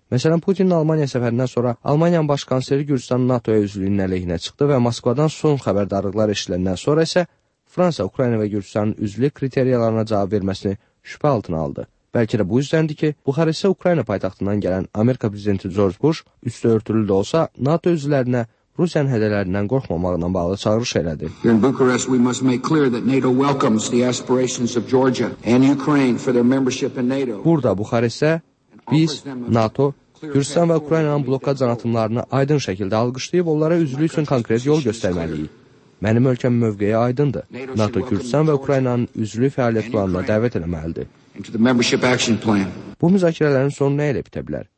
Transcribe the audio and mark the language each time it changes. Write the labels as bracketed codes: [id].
[az] Məsələn, Putinin Almaniya səfərindən sonra Almaniyanın baş kanseri Gürcüstanın NATO-ya üzvlüyünün əleyhinə çıxdı və Moskvadan son xəbərdarlıqlar eşidiləndən sonra isə Fransa, Ukrayna və Gürcüstanın üzvlük kriteriyalarına cavab verməsini şübhə altına aldı. Bəlkə də bu yüzdəndir ki, Buxarestdə Ukrayna paytaxtından gələn Amerika prezidenti George Bush üstü örtülü də olsa NATO üzvlərinə Rusiyanın hədələrindən qorxmamaqla bağlı çağırış elədi. [en] In Bucharest we must make clear that NATO welcomes the aspirations of Georgia and Ukraine for their membership in NATO. [az] Burada Buxarestdə biz NATO Gürcüstan və Ukraynanın bloka canatımlarını aydın şəkildə alqışlayıb onlara üzvlük üçün konkret yol göstərməliyik. Mənim ölkəm mövqeyi aydındır. NATO Gürcüstan və Ukraynanın üzvlük fəaliyyət planına dəvət eləməlidir. Bu müzakirələrin sonu nə ilə bitə bilər?